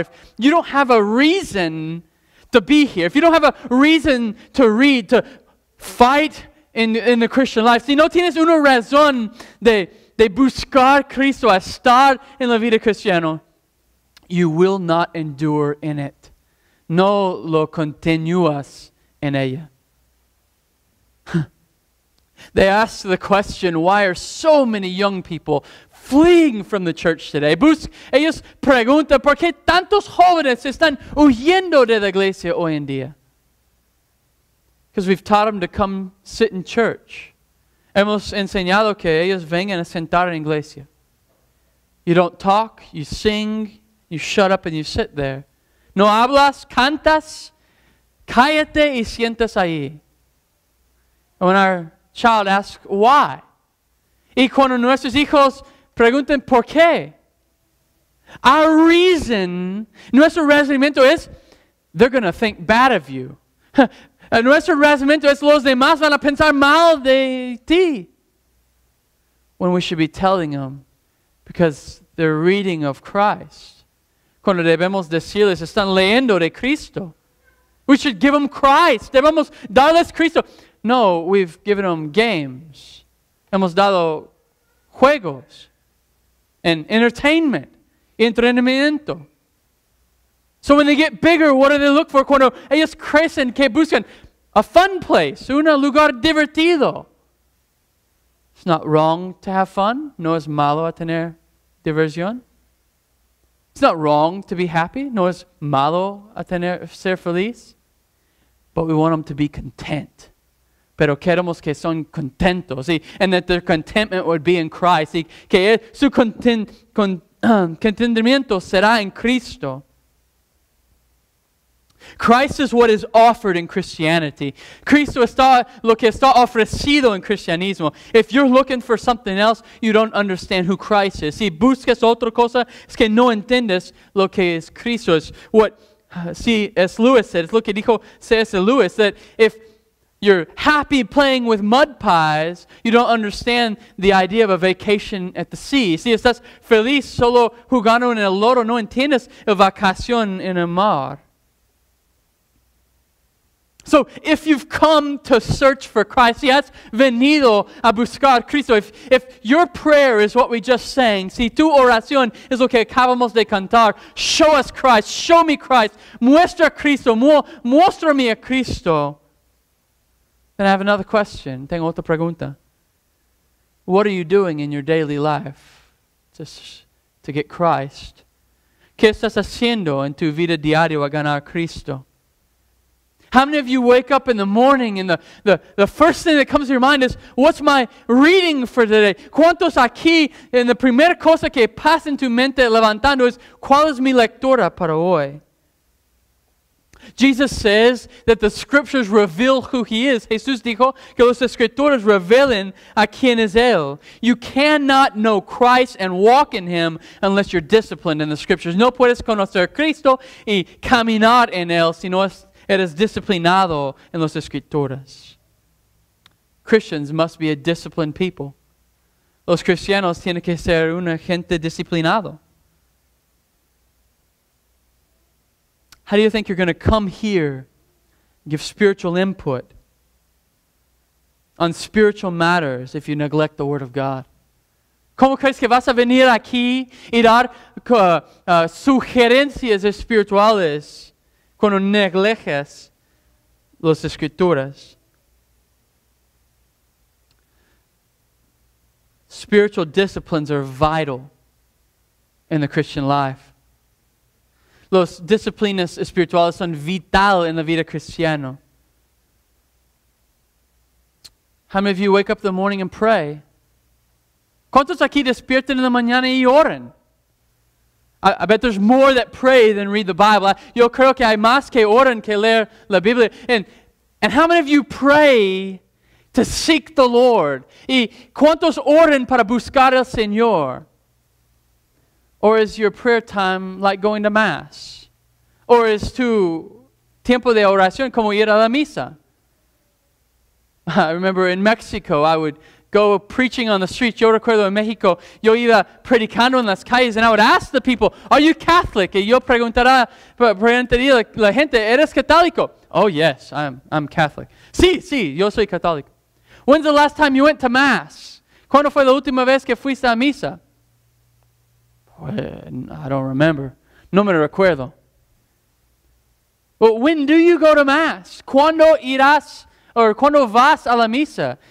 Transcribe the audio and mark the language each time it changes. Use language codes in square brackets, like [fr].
[en] If you don't have a reason to be here, if you don't have a reason to read, to fight in the Christian life, [es] si no tienes una razón de buscar Cristo, a estar en la vida cristiana, [en] you will not endure in it. [es] No lo continúas en ella. [en] They ask the question, why are so many young people fleeing from the church today? [es] Ellos preguntan, ¿por qué tantos jóvenes están huyendo de la iglesia hoy en día? [en] Because we've taught them to come sit in church. [es] Hemos enseñado que ellos vengan a sentar en iglesia. [en] You don't talk, you sing, you shut up and you sit there. [es] No hablas, cantas, cállate y sientas ahí. [en] And when our child asks, why? [es] Y cuando nuestros hijos pregunten, ¿por qué? [en] Our reason, [es] nuestro razonamiento es, [en] they're going to think bad of you. [es] Nuestro razonamiento es, los demás van a pensar mal de ti. [en] When we should be telling them, because they're reading of Christ. [es] Cuando debemos decirles, están leyendo de Cristo. [en] We should give them Christ. [es] Debemos darles Cristo. [en] No, we've given them games. [es] Hemos dado juegos. [en] And entertainment. [es] Entrenamiento. [en] So when they get bigger, what do they look for? [es] Cuando ellos crecen, ¿qué buscan? [en] A fun place. [es] Un lugar divertido. [en] It's not wrong to have fun. [es] No es malo a tener diversión. [en] It's not wrong to be happy. [es] No es malo a tener ser feliz. But we want them to be content. Pero queremos que son contentos. Y, [en] and that their contentment would be in Christ. [es] Y que su contentamiento será en Cristo. [en] Christ is what is offered in Christianity. [es] Cristo está lo que está ofrecido en cristianismo. [en] If you're looking for something else, you don't understand who Christ is. [es] Si buscas otra cosa, es que no entiendes lo que es Cristo. Es [en] what C.S. Lewis said. [es] Es lo que dijo C.S. Lewis. [en] That if you're happy playing with mud pies, you don't understand the idea of a vacation at the sea. [es] Si estás feliz solo jugando en el lodo, no entiendes la vacación en el mar. [en] So if you've come to search for Christ, [es] si has venido a buscar Cristo, [en] if your prayer is what we just sang, [es] si tu oración es lo que acabamos de cantar, [en] show us Christ, show me Christ, [es] muestra Cristo, muéstrame a Cristo. [en] Then I have another question. [es] Tengo otra pregunta. [en] What are you doing in your daily life to get Christ? [es] ¿Qué estás haciendo en tu vida diaria a ganar Cristo? [en] How many of you wake up in the morning and the first thing that comes to your mind is, what's my reading for today? [es] ¿Cuántos aquí? And the primera cosa que pasa en tu mente levantando es, ¿cuál es mi lectura para hoy? [en] Jesus says that the scriptures reveal who he is. [es] Jesús dijo que los escrituras revelan a quién es él. [en] You cannot know Christ and walk in him unless you're disciplined in the scriptures. [es] No puedes conocer a Cristo y caminar en él si no eres disciplinado en los escrituras. [en] Christians must be a disciplined people. [es] Los cristianos tienen que ser una gente disciplinado. [en] How do you think you're going to come here, give spiritual input on spiritual matters if you neglect the Word of God? [es] ¿Cómo crees que vas a venir aquí y dar sugerencias espirituales cuando neglejas las Escrituras? [en] Spiritual disciplines are vital in the Christian life. [es] Las disciplinas espirituales son vital en la vida cristiana. [en] How many of you wake up in the morning and pray? [es] ¿Cuántos aquí despiertan en la mañana y oran? [en] I bet there's more that pray than read the Bible. [es] Yo creo que hay más que oran que leer la Biblia. [en] And how many of you pray to seek the Lord? [es] ¿Y cuántos oran para buscar al Señor? [en] Or is your prayer time like going to Mass? [es] Or is tu tiempo de oración como ir a la misa? [en] I remember in Mexico, I would go preaching on the streets. [es] Yo recuerdo en México, yo iba predicando en las calles [en] and I would ask the people, are you Catholic? [es] Y yo preguntaría la gente, ¿eres católico? [en] Oh yes, I'm Catholic. [es] Sí, sí, yo soy católico. [en] When's the last time you went to Mass? [es] ¿Cuándo fue la última vez que fuiste a misa? [en] I don't remember. [es] No me recuerdo. [en] But when do you go to Mass? [es] ¿Cuándo irás or cuándo vas a la misa?